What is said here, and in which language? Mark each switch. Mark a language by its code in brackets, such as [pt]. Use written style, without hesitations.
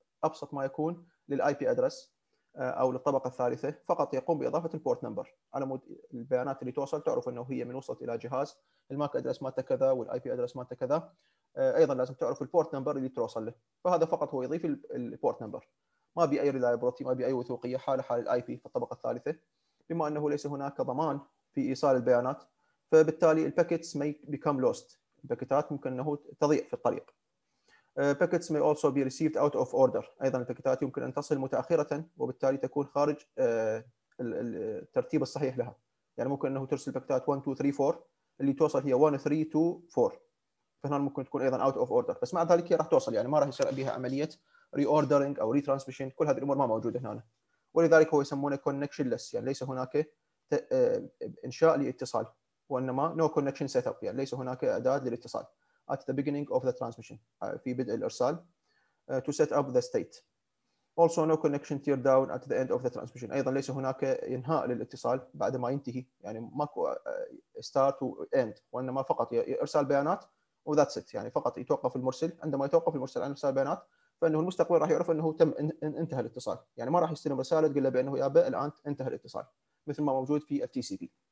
[ar] ابسط ما يكون للاي بي ادرس او للطبقة الثالثة، فقط يقوم باضافة البورت نمبر على مود البيانات اللي توصل تعرف انه هي من وصلت الى جهاز، الماك ادرس مالته كذا والاي بي ادرس مالته كذا، ايضا لازم تعرف البورت نمبر اللي توصل له، فهذا فقط هو يضيف البورت نمبر، [en] ما بي اي ريلايبلتي [ar] ما بي اي وثوقية حال الاي بي في الطبقة الثالثة، بما انه ليس هناك ضمان في ايصال البيانات، فبالتالي الباكيتس [en] may become lost, [ar] الباكيتات ممكن انه تضيع في الطريق. [en] packets may also be received out of order. [ar] أيضا الباكيتات يمكن أن تصل متأخرة وبالتالي تكون خارج الترتيب الصحيح لها. يعني ممكن أنه ترسل باكيتات 1 2 3 4 اللي توصل هي 1 3 2 4. فهنا ممكن تكون أيضا [en] out of order. [ar] بس مع ذلك هي راح توصل، يعني ما راح يصير بها عملية reordering أو retransmission. كل هذه الأمور ما موجودة هنا. ولذلك هو يسمونه connectionless، يعني ليس هناك إنشاء لاتصال، وإنما [en] no connection setup، [ar] يعني ليس هناك أداة للاتصال. [en] At the beginning of the transmission، [ar] في بدء الإرسال. [en] To set up the state. Also no connection tear down at the end of the transmission. [ar] أيضا ليس هناك إنهاء للاتصال بعد ما ينتهي، يعني ماكو start و end، وإنما فقط إرسال بيانات و [en] that's it. [ar] يعني فقط يتوقف المرسل، عندما يتوقف المرسل عن إرسال بيانات فإنه المستقبل راح يعرف أنه تم انتهى الاتصال، يعني ما راح يستلم رسالة تقول له بأنه يابا الآن انتهى الاتصال، مثل ما موجود في FTCP.